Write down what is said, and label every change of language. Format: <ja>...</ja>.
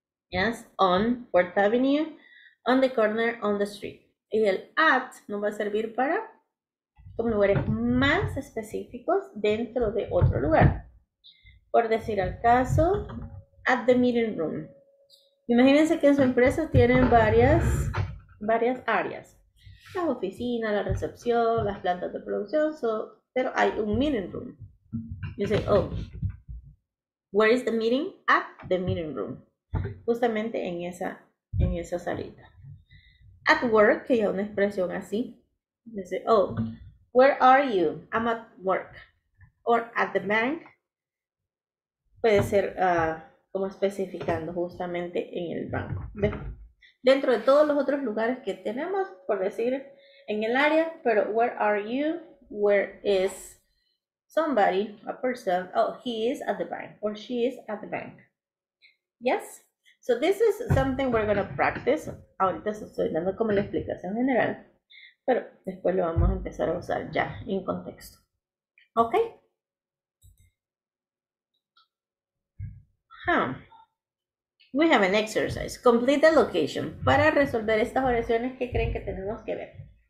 <en>Yes, on 4th Avenue, on the corner, on the street.</en> <es>Y el at nos va a servir para como lugares más específicos dentro de otro lugar. Por decir al caso,</es> <en>at the meeting room.</en> <es>Imagínense que en su empresa tienen varias áreas. Las oficinas, la recepción, las plantas de producción, so, pero hay un meeting room.</es> <en>You say, oh, where is the meeting? At the meeting room.</en> <es>Justamente en esa salita. At work, que ya una expresión así.</es> <en>You say, oh, where are you? I'm at work. Or at the bank.</en> <es>Puede ser como especificando justamente en el banco. Dentro de todos los otros lugares que tenemos, por decir, en el área, pero</es> <en>where are you, where is somebody, a person, oh, he is at the bank, or she is at the bank. Yes? So this is something we're going to practice.</en> <es>Ahorita estoy dando como la explicación general, pero después lo vamos a empezar a usar ya, en contexto.</es> <en>Okay? Huh. We have an exercise. Complete the location.</en> <es>Para resolver estas oraciones, ¿qué creen que tenemos que ver?</es>